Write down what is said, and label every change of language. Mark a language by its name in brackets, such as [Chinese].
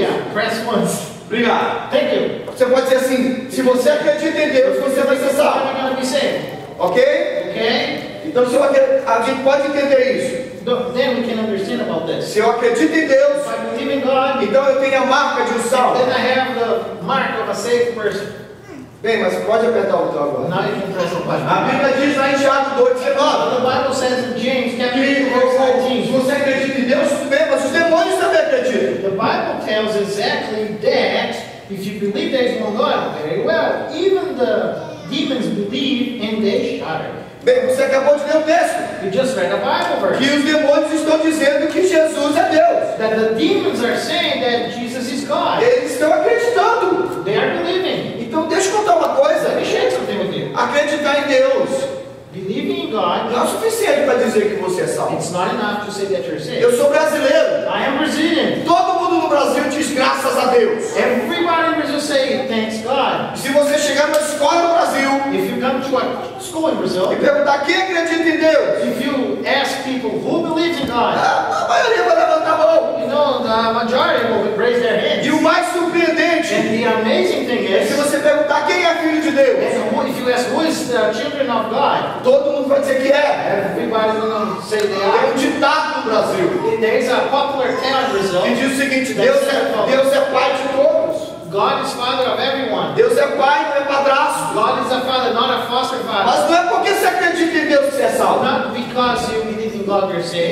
[English] Yeah, press once. [Portuguese] Obrigado. [English] Thank you. [Portuguese] Você pode dizer assim: se você acredita em Deus, você vai ser salvo. [English] Ok? Ok. [Portuguese] Então se a gente pode entender isso. [English] Then we can understand about this. [Portuguese] Se eu acredito em Deus, [English] if I believe in God, [Portuguese] então eu tenho a marca de um salvo. [English] Then I have the mark of a saved person. [Portuguese] Bem, mas pode apertar o botão agora. [English] Now you can press the button. [Portuguese] A Bíblia diz lá em Tiago 2:19. [English] The Bible says in James chapter 2:19. [Portuguese] Se você acredita em Deus, bem, mas os demônios também acreditam. [English] The Bible tells exactly that if you believe there is no God, very well, even the demons believe and they shudder. [Portuguese] Bem, você acabou de ler um texto. [English] You just read a Bible verse. [Portuguese] Que os demônios estão dizendo que Jesus é Deus. [English] That the demons are saying that Jesus is God. [Portuguese] Eles estão acreditando. [English] They are believing. [Portuguese] Então deixa eu contar uma coisa. [English] Let me share something with you. [Portuguese] Acreditar em Deus. [English] Believing in God. [Portuguese] Não é suficiente para dizer que você é salvo. [English] It's not enough to say that you're saved. [Portuguese] Eu sou brasileiro. [English] I am Brazilian. [Portuguese] Todo mundo no Brasil diz graças a Deus. [English] Everybody in Brazil say thanks God. [Portuguese] Se você chegar na escola no Brasil, [English] if you come to a school in Brazil, [Portuguese] e perguntar quem acredita em Deus, [English] if you ask people who believes in God, [Portuguese] a maioria vai levantar a mão. [English] You know, the majority will raise their hands. [Portuguese] E o mais surpreendente, [English] and the amazing thing is, [Portuguese] se você perguntar quem é filho de Deus, [English] if you ask who is the children of God, [Portuguese] todo mundo vai dizer que é. [English] Everybody's gonna say they are. [Portuguese] Tem um ditado no Brasil. [English] There is a popular tale in Brazil. [Portuguese] E diz o seguinte: Deus é pai de todos. [English] God is father of everyone. [Portuguese] Deus é pai, não é padrasto. [English] God is a father, not a foster father. [Portuguese] Mas não é porque você acredita em Deus que você é salvo. [English] Not because you believe in God you're saved.